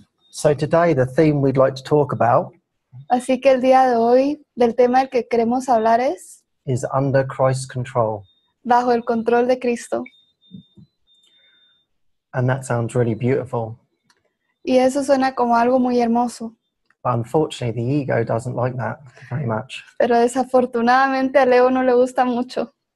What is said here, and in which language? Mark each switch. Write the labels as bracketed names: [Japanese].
[English] So today, the theme we'd like to talk about. [Spanish] Así que el día de hoy, del tema del que queremos hablar es. [English] Is under Christ's control. [Spanish] Bajo el control de Cristo. [English] And that sounds really beautiful. [Spanish] Y eso suena como algo muy hermoso. [English] But unfortunately, the ego doesn't like that very much. [Spanish] Pero desafortunadamente al ego no le gusta mucho.